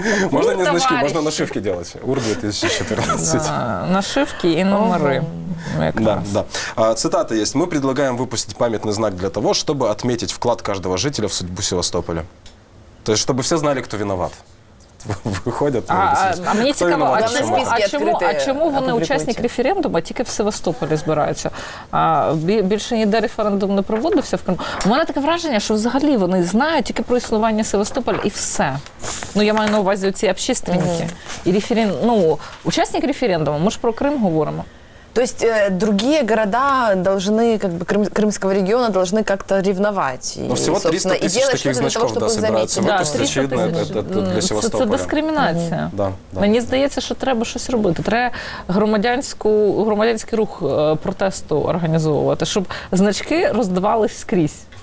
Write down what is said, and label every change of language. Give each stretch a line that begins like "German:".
Russian: Можно не значки, можно нашивки делать. УР-2014. Нашивки и номеры. Да, да. Цитата есть. «Мы предлагаем выпустить памятный знак для того, чтобы отметить вклад каждого жителя в судьбу Севастополя». То есть, чтобы все знали, кто виноват. Выходят. А мне интересно,
Ukrainian: а чему вони учасник референдума, тільки в Севастополі збираються? Більше ніде референдум не проводився в Криму. У мене таке враження, що взагалі вони знають тільки про існування Севастополя і все. Ну, я маю на увазі оці общественники. І учасник референдуму, ми ж про Крим говоримо.
Russian: То есть другие города должны, как бы Крымского региона должны как-то ревновать. Ну, всего 300 тысяч таких значков, того, да, собираются. Да, выпустить, 300 очевидно, тысяч. Это для Севастополя. Это дискриминация. Угу. Да, да. Мне да.
Ukrainian: Здається, что треба что-то робити. Треба громадянський рух протесту організовувати, щоб значки роздавались скрізь.